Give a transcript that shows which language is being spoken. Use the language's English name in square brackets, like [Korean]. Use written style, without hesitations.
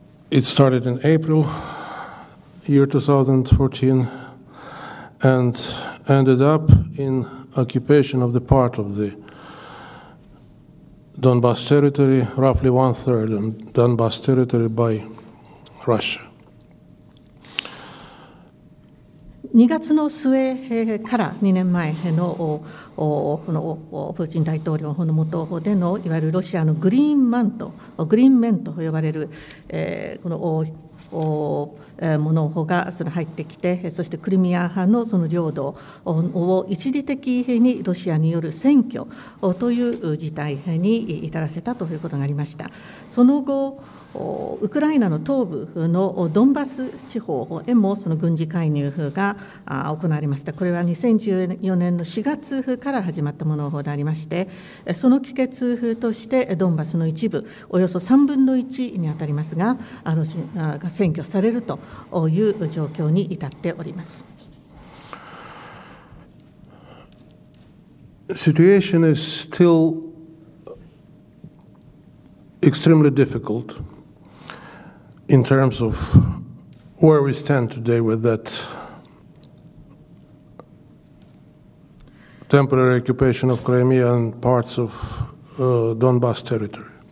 [English] It started in April, year 2014, and ended up in occupation of the part of the Donbas territory, roughly one third of Donbas territory by Russia. [Japanese] 2月の末から2年前のこのプーチン大統領の下でのいわゆるロシアのグリーンマンとグリーンメンと呼ばれるこのものが入ってきて、そしてクリミア派のその領土を一時的にロシアによる占拠という事態に至らせたということがありました。その後ウクライナの東部のドンバス地方へもその軍事介入が行われました。これは2014年の4月から始まったものでありまして、その帰結としてドンバスの一部およそ3分の1に当たりますが、が占拠されるという状況に至っております。 [English] Situation is still extremely difficult in terms of where we stand today with that temporary occupation of Crimea and parts of Donbas territory.